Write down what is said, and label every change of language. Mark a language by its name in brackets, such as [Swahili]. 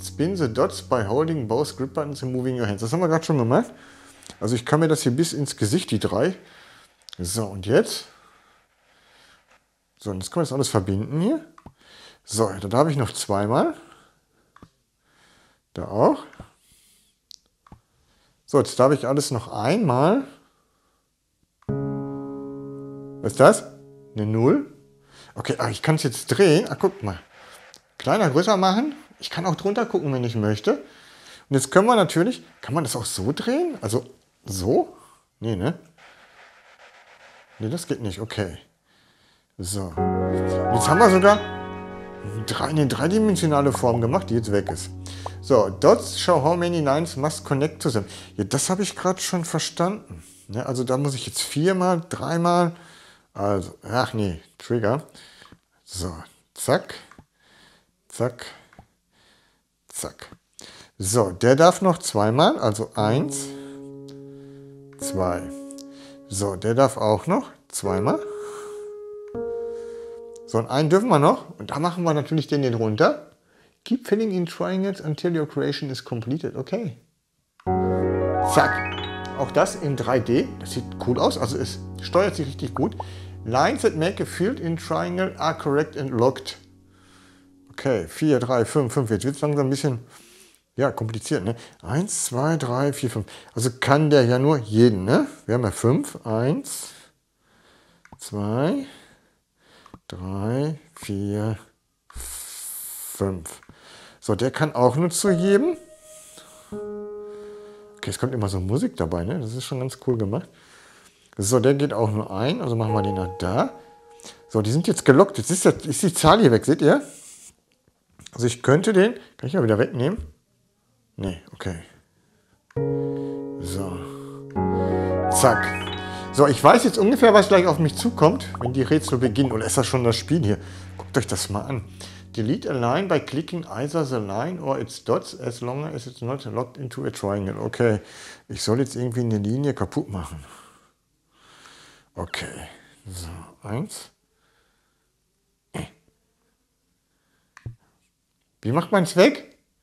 [English] Spin the dots by holding both grip buttons and moving your hands. [German] Das haben wir gerade schon gemacht. Also ich kann mir das hier bis ins Gesicht, die 3. So, und jetzt? So, und jetzt können wir das alles verbinden hier. So, da darf ich noch zweimal. Da auch. So, jetzt darf ich alles noch einmal. Was ist das? Eine 0. Okay, ich kann es jetzt drehen. Guck mal. Kleiner, größer machen. Ich kann auch drunter gucken, wenn ich möchte. Und jetzt können wir natürlich, kann man das auch so drehen? Also so? Nee, ne? Nee, das geht nicht. Okay. So. Und jetzt haben wir sogar eine dreidimensionale Form gemacht, die jetzt weg ist. [English] So, dots show how many lines must connect to them. [German] Ja, das habe ich gerade schon verstanden. Ja, also da muss ich jetzt viermal, dreimal, also, ach nee, Trigger. So, zack, zack, zack. So, der darf noch zweimal, also eins, zwei. So, der darf auch noch zweimal. So, und einen dürfen wir noch. Und da machen wir natürlich den runter. [English] Keep filling in triangles until your creation is completed. [German] Okay. Zack. Auch das in 3D. Das sieht cool aus. Also es steuert sich richtig gut. [English] Lines that make a field in triangle are correct and locked. [German] Okay. 4, 3, 5, 5. Jetzt wird es langsam ein bisschen ja, kompliziert. Ne? 1, 2, 3, 4, 5. Also kann der ja nur jeden. Ne? Wir haben ja 5. 1, 2, 3, 4, 5. So, der kann auch nur zu jedem. Okay, es kommt immer so Musik dabei, ne? Das ist schon ganz cool gemacht. So, der geht auch nur ein. Also machen wir den nach da. So, die sind jetzt gelockt. Jetzt ist die Zahl hier weg, seht ihr? Also ich könnte den, kann ich mal wieder wegnehmen? Nee, okay. So. Zack. So, ich weiß jetzt ungefähr, was gleich auf mich zukommt, wenn die Rätsel beginnen. Oder ist das schon das Spiel hier? Guckt euch das mal an. [English] Delete a line by clicking either the line or its dots as long as it's not locked into a triangle. [German] Okay, ich soll jetzt irgendwie eine Linie kaputt machen. Okay, so, eins. Wie macht man es weg?